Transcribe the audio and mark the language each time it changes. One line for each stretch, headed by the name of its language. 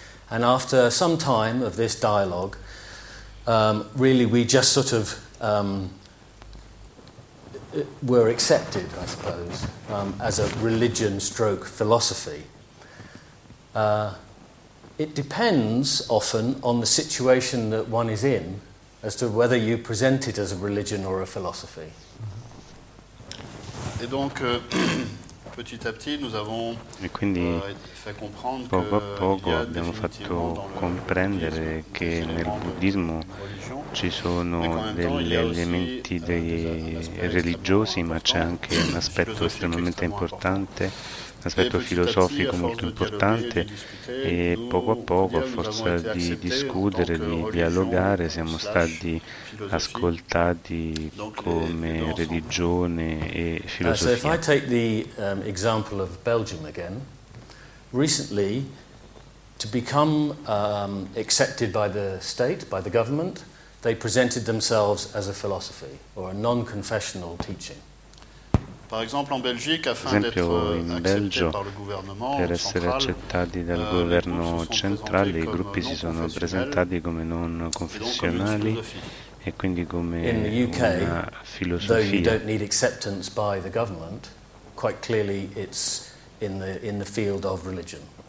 English: And after some time of this dialogue, really we just sort of were accepted, I suppose, as a religion stroke philosophy. It depends often on the situation that one is in as to whether you present it as a religion or a philosophy.
French: Et donc petit à petit nous avons fait comprendre
Italian: poco
French: que
Italian: a poco abbiamo fatto comprendere che nel buddismo ci sono degli elementi religiosi, ma c'è anche un aspetto estremamente importante. L'aspetto filosofico molto importante, e poco a poco, a forza di discutere, di dialogare, siamo stati ascoltati come religione e filosofia.
English: So if I take the example of Belgium again, recently to become accepted by the state, by the government, they presented themselves as a philosophy or a non-confessional teaching.
French: Par exemple, en Belgique, afin d'être accepté par le gouvernement
Italian: per essere accettati dal governo centrale, i gruppi si sono presentati come non confessionali e quindi come una filosofia.
English: Though you don't need acceptance by the government, quite clearly it's in the field of religion.